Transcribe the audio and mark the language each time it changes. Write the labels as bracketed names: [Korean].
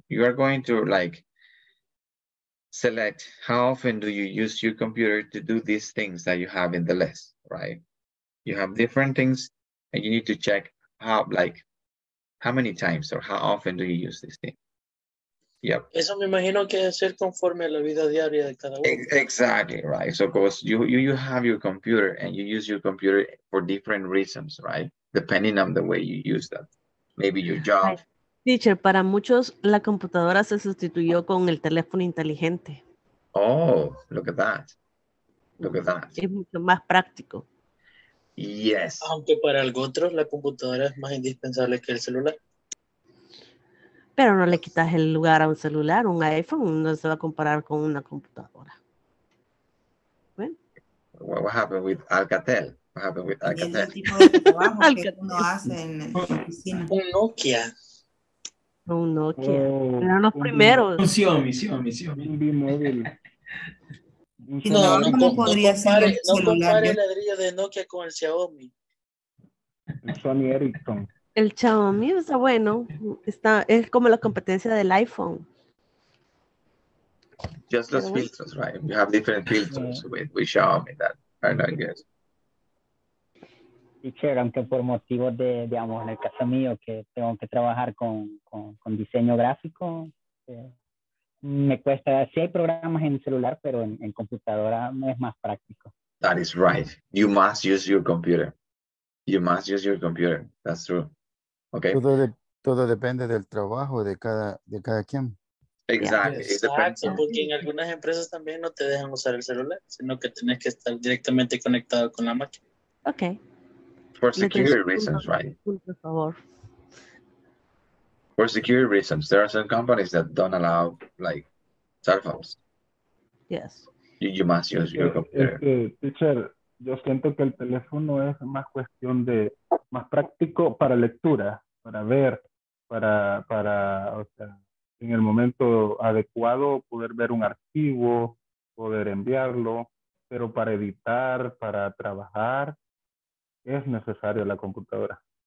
[English] You are going to like select how often do you use your computer to do these things that you have in the list, right? You have different things and you need to check how, like, how many times or how often do you use this thing? Yep. [Spanish] Eso me imagino que debe ser conforme a la vida diaria de cada uno. [English] Exactly, right. So, because you have your computer and you use your computer for different reasons, right? Depending on the way you use that. Maybe your job. [Spanish] Teacher, para muchos, la computadora se sustituyó con el teléfono inteligente. [English] Oh, look at that. Look at that. [Spanish] Es mucho más práctico. [English] Yes. [Spanish] Aunque para algunos otros la computadora es más indispensable que el celular. Pero no le quitas el lugar a un celular, un iPhone, no se va a comparar con una computadora. [English] Bueno. What happened with Alcatel? What happened with Alcatel? [Spanish] El tipo de trabajo que uno hace en la oficina. Un Nokia. Un Nokia. Oh, eran los primeros. Misión. No compare el ladrillo de Nokia con el Xiaomi. Sony Ericsson. El Xiaomi está bueno. Está, es como la competencia del iPhone. [English] Just [Spanish] los filtros, [English] right? You have different filters with Xiaomi that are not good. [Spanish] Teacher, aunque por motivos de, digamos, en el caso mío, que tengo que trabajar con diseño gráfico, me cuesta, sí hay programas en celular, pero en computadora es más práctico. [English] That is right. You must use your computer. You must use your computer. That's true. Okay. [Spanish] Todo depende del trabajo de cada quien. [English] Exactly. Yeah. [Spanish] Exacto, porque en algunas empresas también no te dejan usar el celular, sino que tienes que estar directamente conectado con la máquina. [English] Okay. For security reasons, right? [Spanish] Por favor. [English] For security reasons, there are some companies that don't allow like cell phones. Yes. You must use your computer. [Spanish] Teacher, yo siento que el teléfono es más cuestión de más práctico para lectura, para ver, para o sea, en el momento adecuado poder ver un archivo, poder enviarlo, pero para editar, para trabajar, es necesario la computadora.